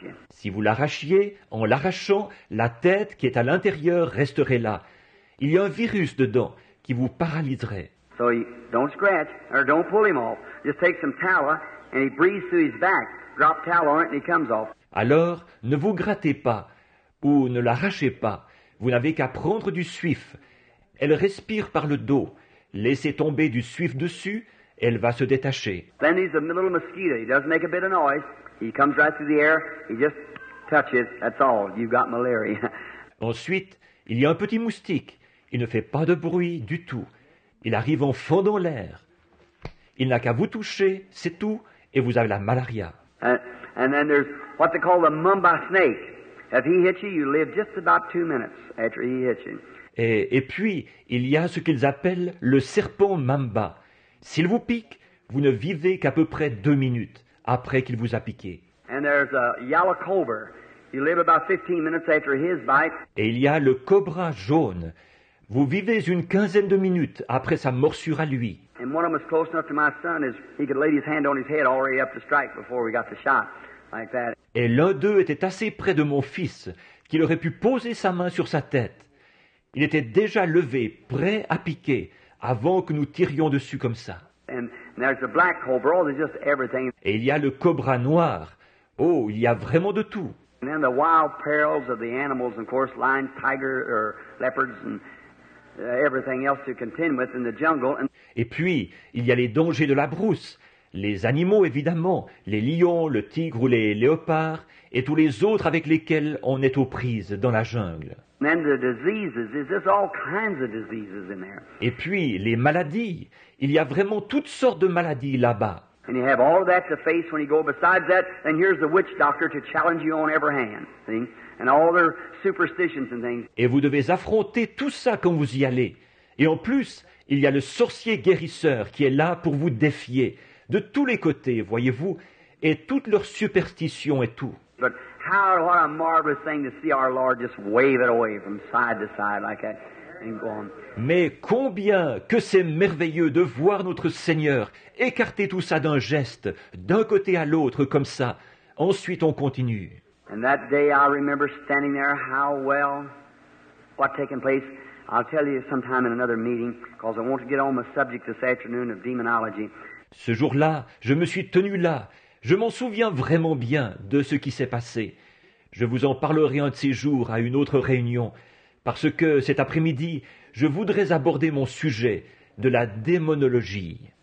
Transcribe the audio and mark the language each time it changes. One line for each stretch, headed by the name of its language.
French: Si vous l'arrachiez, en l'arrachant, la tête qui est à l'intérieur resterait là. Il y a un virus dedans qui vous paralyserait.
English: So he don't scratch or don't pull him off. Just take some tallow and he breathes through his back. Drop tallow on it and he comes off.
French: Alors, ne vous grattez pas ou ne l'arrachez pas. Vous n'avez qu'à prendre du suif. Elle respire par le dos. Laissez tomber du suif dessus, elle va se détacher.
English: Then he's a little mosquito. He doesn't make a bit of noise. He comes right through the air. He just touches. That's all. You've got malaria.
French: Ensuite, il y a un petit moustique. Il ne fait pas de bruit du tout. Il arrive en fendant l'air. Il n'a qu'à vous toucher, c'est tout, et vous avez la malaria.
English: And then there's what they call the mamba snake. If he hits you, you live just about 2 minutes after he hits you.
French: Et puis, il y a ce qu'ils appellent le serpent mamba. S'il vous pique, vous ne vivez qu'à peu près 2 minutes après qu'il vous a piqué.
English: And there's a yellow cobra. You live about 15 minutes after his bite.
French: Et il y a le cobra jaune. Vous vivez une quinzaine de minutes après sa morsure à lui.
English: And one of them is close enough to my son is he could lay his hand on his head already up to strike before we got the shot. Like that.
French: Et l'un d'eux était assez près de mon fils qu'il aurait pu poser sa main sur sa tête. Il était déjà levé, prêt à piquer, avant que nous tirions dessus comme ça.
English: And there's a black cobra. Oh, there's just everything.
French: Et il y a le cobra noir. Oh, il y a vraiment de tout.
English: And then the wild perils of the animals, of course, lions, tigers, or leopards, and everything else to contend with in the jungle.
French: Et puis, il y a les dangers de la brousse. Les animaux, évidemment, les lions, le tigre ou les léopards, et tous les autres avec lesquels on est aux prises dans la jungle.
English: And the diseases, there's just all kinds of diseases in there.
French: Et puis, les maladies, il y a vraiment toutes sortes de maladies là-bas.
English: And you have all of that to face when you go. Besides that, then here's the witch doctor to challenge you on every hand, see? And all their superstitions and things.
French: Et vous devez affronter tout ça quand vous y allez. Et en plus, il y a le sorcier guérisseur qui est là pour vous défier. De tous les côtés, voyez-vous, et toutes leurs superstitions et tout.
English: But how, what a marvelous thing to see our Lord just wave it away from side to side like that and go on.
French: Mais combien que c'est merveilleux de voir notre Seigneur écarter tout ça d'un geste, d'un côté à l'autre comme ça. Ensuite, on continue.
English: And that day I remember standing there how well what taken place. I'll tell you sometime in another meeting because I want to get on the subject this afternoon of demonology.
French: Ce jour-là, je me suis tenu là. Je m'en souviens vraiment bien de ce qui s'est passé. Je vous en parlerai un de ces jours à une autre réunion, parce que cet après-midi, je voudrais aborder mon sujet de la démonologie.